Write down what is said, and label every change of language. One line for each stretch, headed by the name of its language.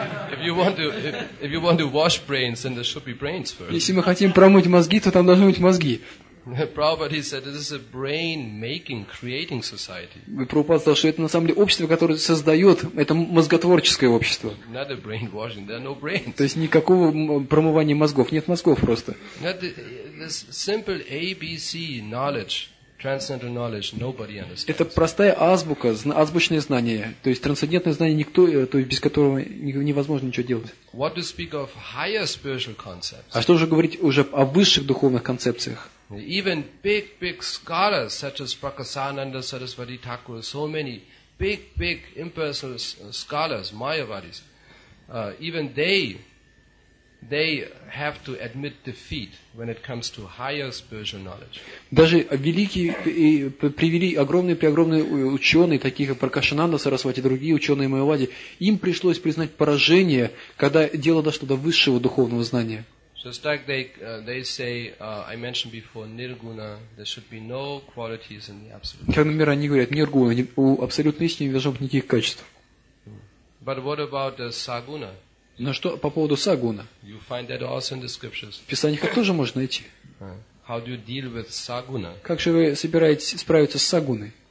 English: If you want to wash brains, then there should be brains first.
Russian: Если мы хотим промыть мозги, то там должны быть мозги.
English: Prabhupada said, "This is a brain-making, creating society."
Russian: Прабхупада сказал, что это на самом деле общество, которое создает, это мозготворческое общество.
English: Not a brainwashing. There are no brains.
Russian: То есть никакого промывания мозгов, нет мозгов просто.
English: This simple ABC knowledge, transcendental knowledge, nobody understands.
Russian: Это простая азбука, азбучное знание, то есть трансцендентное знание, никто, то есть без которого невозможно ничего делать.
English: What to speak of higher spiritual concepts?
Russian: А что же говорить уже о высших духовных концепциях?
English: Even big scholars such as Prakasananda, Saraswati Thakur, so many big impersonal scholars, Mayavadis, even they have to admit defeat when it comes to higher spiritual knowledge.
Russian: Даже великие и привели огромные ученые, таких как Пракашананда, Сарасвати, другие ученые Майавади, им пришлось признать поражение, когда дело дошло до высшего духовного знания.
English: Just like they say, I mentioned before, nirguna, there should be no qualities in the absolute.
Russian: Как, например, они говорят, нергуна, у абсолютной истины не должно быть никаких качеств.
English: But what about the saguna?
Russian: Но что по поводу сагуна?
English: You find that also in the scriptures.
Russian: В писаниях тоже можно найти.
English: How do you deal with saguna?
Russian: Как же вы собираетесь справиться с сагуной?